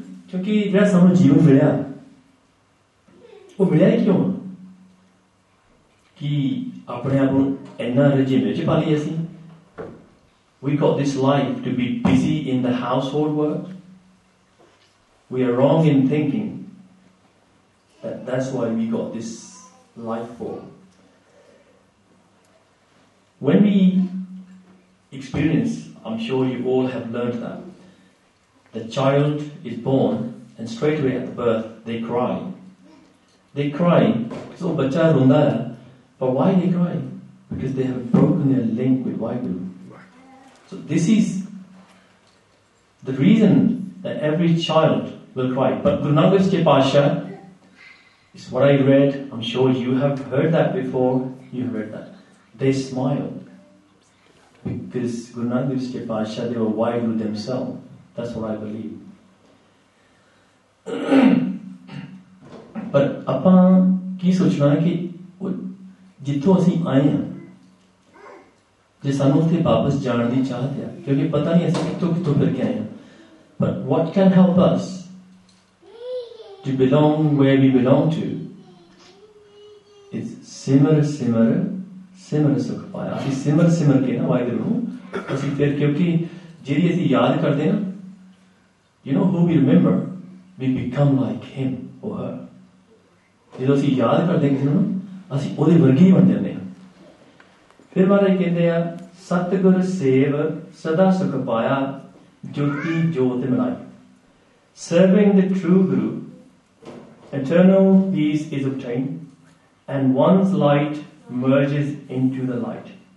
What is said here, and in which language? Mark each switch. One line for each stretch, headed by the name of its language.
Punjabi: ਕਿਉਂਕਿ ਜਿਹੜਾ ਸਾਨੂੰ ਜੀਵਨ ਮਿਲਿਆ ਉਹ ਮਿਲਿਆ ਕਿਉਂ ਕਿ ਆਪਣੇ ਆਪ ਨੂੰ ਇੰਨਾ ਰਜੇਵੇ ਚ ਪਾ ਲਈ ਅਸੀਂ
English: ਵੀ call this life to be busy in the household work we are wrong in thinking that's why we call this life for when we experience I am sure you all have learned that The child is born and straight away at the birth they cry. They cry. So
Punjabi: bacha ronda hai.
English: But why they cry? Because they have broken their link with Vaheguru. So this is the reason that every child will cry. But Guru Nanak Dev Ji Paatshah is what I read. I'm sure you have heard that before. You have read that. They smiled. Because Guru Nanak Dev Ji Paatshah, they were Vaheguru themselves. That's what I believe.
Punjabi: But ਆਪਾਂ ਕੀ ਸੋਚਣਾ ਕਿ ਜਿੱਥੋਂ ਅਸੀਂ ਆਏ ਹਾਂ ਜੇ ਸਾਨੂੰ ਉੱਥੇ ਵਾਪਸ ਜਾਣ ਦੀ ਚਾਹਤ ਆ ਕਿਉਂਕਿ ਪਤਾ ਨਹੀਂ ਅਸੀਂ ਕਿੱਥੋਂ ਕਿੱਥੋਂ ਫਿਰ ਕੇ ਆਏ ਹਾਂ
English: but what can help us to belong where we belong to
Punjabi: is ਸਿਮਰ ਸਿਮਰ ਸਿਮਰ ਸੁਖ ਪਾਇਆ ਅਸੀਂ ਸਿਮਰ ਸਿਮਰ ਕੇ ਨਾ ਵਾਹਿਗੁਰੂ ਨੂੰ ਅਸੀਂ ਫਿਰ ਕਿਉਂਕਿ ਜਿਹੜੀ ਅਸੀਂ ਯਾਦ ਕਰਦੇ ਹਾਂ
English: You know who we remember? We become like him or her.
Punjabi: ਜਦੋਂ ਅਸੀਂ ਯਾਦ ਕਰਦੇ ਕਿਸੇ ਨੂੰ ਅਸੀਂ ਉਹਦੇ ਵਰਗੇ ਹੀ ਬਣ ਜਾਂਦੇ ਹਾਂ। ਫਿਰ ਮਹਾਰਾਜ ਕਹਿੰਦੇ ਆ ਸਤਿਗੁਰ ਸੇਵ ਸਦਾ ਸੁਖ ਪਾਇਆ ਜੋਤੀ ਜੋਤ ਮਿਲਾਈ।
English: Serving the true Guru eternal peace is obtained and one's light merges into the light.